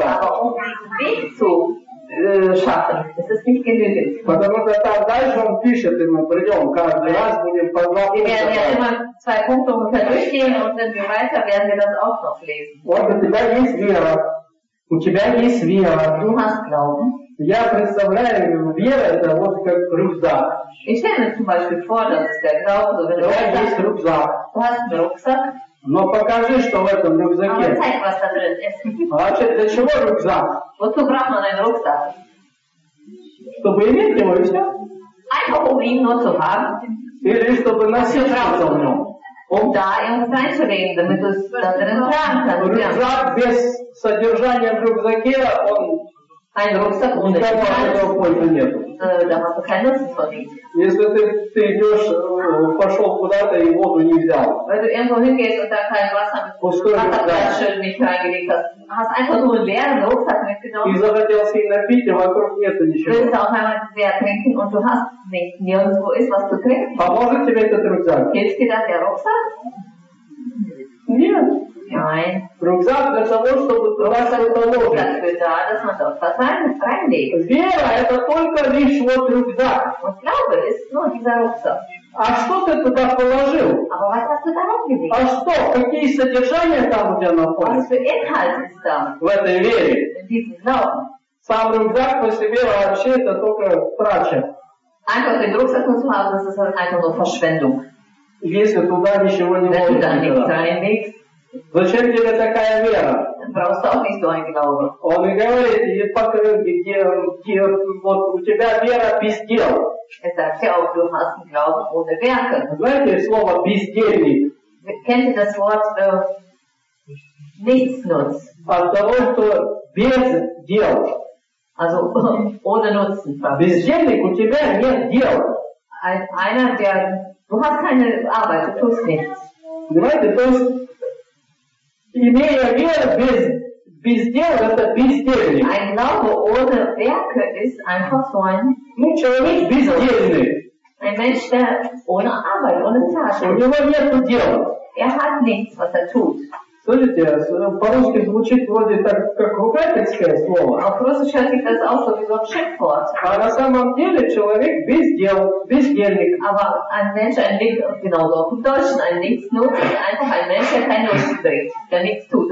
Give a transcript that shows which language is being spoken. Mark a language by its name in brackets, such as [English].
[German] Aber um den Weg zu schaffen, ist es nicht genügend. Wir werden ja immer zwei Punkte ungefähr durchgehen und wenn wir weiter, werden wir das auch noch lesen. [Russian] Вот, у тебя есть вера. У тебя есть вера. [German] Du hast Glauben. [Russian] Я представляю, вера это вот как рюкзак. [German] Ich stelle mir zum Beispiel vor, dass es der Glaube oder der Rucksack. [Russian] Да, есть рюкзак. [German] Du hast einen Rucksack. [Russian] Но покажи, что в этом рюкзаке. [German] Aber zeig, was da drin ist. [Russian] Значит, для чего рюкзак? [German] Wozu braucht man einen Rucksack? [Russian] Чтобы иметь его и все. [German] Einfach um ihn nur zu haben. [Russian] Или чтобы носиться в нем. [German] Um da irgendwas reinzulegen, damit du es da drin tragen kannst. [Russian] Рюкзак без содержания в рюкзаке, он... [German] Ein Rucksack ohne Gepäck. Da hast du keinen Nutzen von ihm. [Russian] Если ты идешь, пошел куда-то и воду не взял. [German] Wenn du irgendwo hingehst und da kein Wasser mit Wasserflaschen nicht reingelegt hast, hast einfach nur einen leeren Rucksack mitgenommen. [Russian] И захотелось ihn напить, а вокруг нет ничего. [German] Willst du auf einmal sehr trinken und du hast nicht nirgendwo ist was zu trinken? [Russian] Поможет тебе этот рюкзак? [German] Hilft dir das der Rucksack? [Russian] Нет. [German] Nein. [Russian] Рюкзак для того, чтобы туда что-то ложить. Вера – это только лишь вот рюкзак. [German] Glaube, ist nur dieser Rucksack. [Russian] А что ты туда положил? [German] Aber was hast du da reingelegt? [Russian] А что, какие содержания там у тебя находятся? В этой вере. Сам рюкзак по себе вообще это только трача. [German] Einfach den Rucksack zu haben, das ist einfach nur Verschwendung. [Russian] Если туда ничего не ложишь. Зачем тебе такая вера? Просто он истинный голову. Он и говорит, и покажет, где вот у тебя вера без дел. Это все обдуманный голову, он и верка. Знаете слово бездельник? Вы знаете это слово, что [German] nichts nutz. [Russian] От того, что без дел. [German] Also, ohne Nutzen. [Russian] Бездельник, у тебя нет дел. [German] Einer, der, du hast keine Arbeit, du tust nichts. [Russian] Понимаете, то есть, имея веру без дел, это бездельник. [German] Ein Glaube ohne Werke ist einfach so ein... [Russian] Ну, человек бездельный. [German] Ein Mensch, der ohne Arbeit, ohne Tasche. [Russian] У него нету дел. [German] Hat nichts, was tut. [Russian] Слышите, по-русски звучит вроде так, как ругательское слово. А просто сейчас их это [German] also wie so ein Schimpfwort. [Russian] А на самом деле человек без дел, бездельник. [German] Aber ein Mensch, ein Nichts, genau so. Im Deutschen ein Nichts nutzt, einfach ein Mensch, der kein Nutzen bringt, der nichts tut,